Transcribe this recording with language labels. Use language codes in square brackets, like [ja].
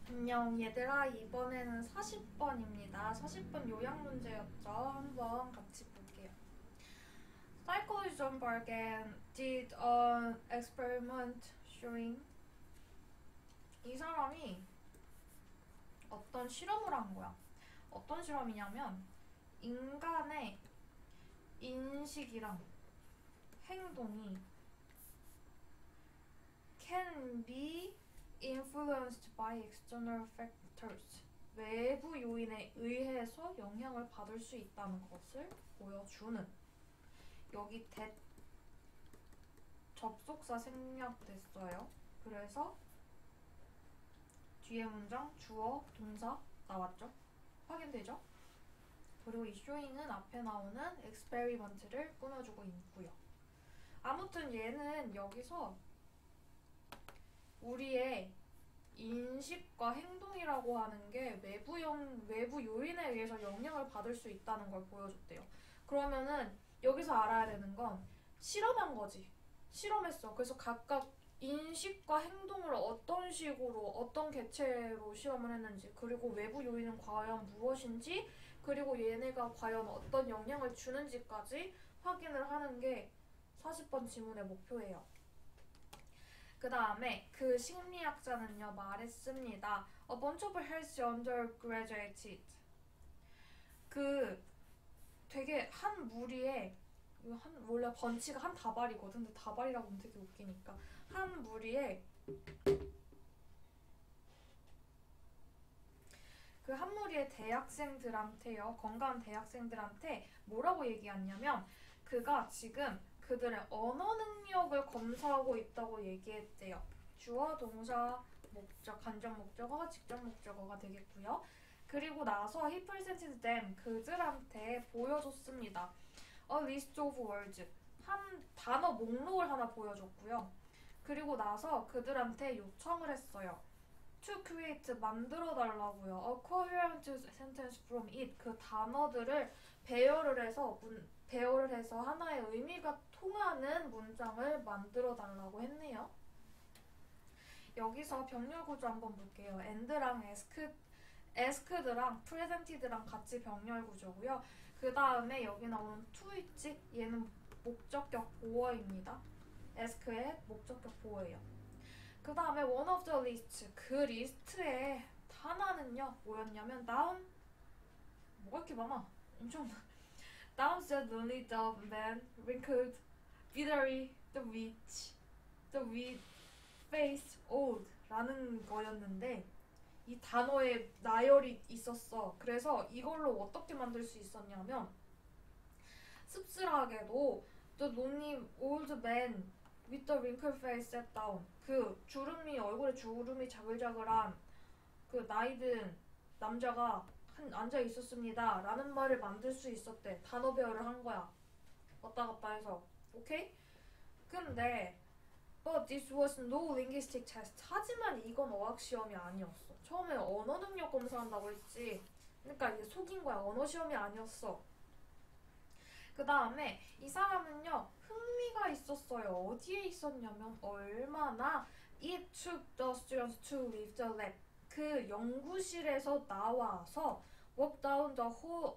[ko] 안녕 얘들아, 이번에는 40번입니다. 40번 요약 문제였죠. 한번 같이 볼게요. [en] Psychologist John Bergen did an experiment showing [ko] 이 사람이 어떤 실험을 한 거야. 어떤 실험이냐면 인간의 인식이랑 행동이 [en] can be influenced by external factors. [ko] 외부 요인에 의해서 영향을 받을 수 있다는 것을 보여주는. 여기 that 접속사 생략됐어요. 그래서 뒤에 문장 주어 동사 나왔죠? 확인되죠? 그리고 이 showing은 앞에 나오는 experiment를 꾸며주고 있고요. 아무튼 얘는 여기서 우리의 인식과 행동이라고 하는 게 외부 요인에 의해서 영향을 받을 수 있다는 걸 보여줬대요. 그러면은 여기서 알아야 되는 건 실험한 거지. 실험했어. 그래서 각각 인식과 행동을 어떤 식으로, 어떤 개체로 실험을 했는지, 그리고 외부 요인은 과연 무엇인지, 그리고 얘네가 과연 어떤 영향을 주는지까지 확인을 하는 게 40번 지문의 목표예요. 그 다음에 그 심리학자는요 말했습니다. [en] A bunch of healthy undergraduates. [ko] 그 되게 한 무리에 한 원래 번치가 한 다발이거든. 근데 다발이라고 하면 되게 웃기니까 한 무리에 그 한 무리의 대학생들한테요 건강한 대학생들한테 뭐라고 얘기했냐면 그가 지금 그들의 언어 능력을 검사하고 있다고 얘기했대요. 주어, 동사, 목적, 간접 목적어, 직접 목적어가 되겠고요. 그리고 나서 [en] he presented them, [ko] 그들한테 보여줬습니다. [en] A list of words, [ko] 한 단어 목록을 하나 보여줬고요. 그리고 나서 그들한테 요청을 했어요. [en] To create, [ko] 만들어달라고요. [en] A coherent sentence from it, [ko] 그 단어들을 배열을 해서 대화를 해서 하나의 의미가 통하는 문장을 만들어 달라고 했네요. 여기서 병렬 구조 한번 볼게요. and랑 asked랑 presented랑 같이 병렬 구조고요. 그 다음에 여기 나오는 to 있지? 얘는 목적격 보어입니다. ask의 목적격 보어예요. 그 다음에 [en] one of the list. [ko] 그 리스트의 하나는요. 뭐였냐면 noun? 뭐가 이렇게 많아? 엄청 많아. [en] Down said lonely dove man, wrinkled, bitterly, the witch, the weed, face, old [ko] 라는 거였는데 이 단어에 나열이 있었어. [en] 그래서 이걸로 어떻게 만들 수 있었냐면 [ko] 씁쓸하게도 [en] the lonely old man with the wrinkled face sat down. [ko] 그 주름이 얼굴에 주름이 자글자글한 그 나이 든 남자가 앉아 있었습니다 라는 말을 만들 수 있었대. 단어 배열을 한 거야. 왔다 갔다 해서. 오케이? [en] 근데 But this was no linguistic test. [ko] 하지만 이건 어학 시험이 아니었어. 처음에 언어 능력 검사한다고 했지. 그러니까 이게 속인 거야. 언어 시험이 아니었어. 그 다음에 이 사람은요 흥미가 있었어요. 어디에 있었냐면 얼마나 [en] It took the students to leave the lab. [ko] 그 연구실에서 나와서 [en] walk down the hall.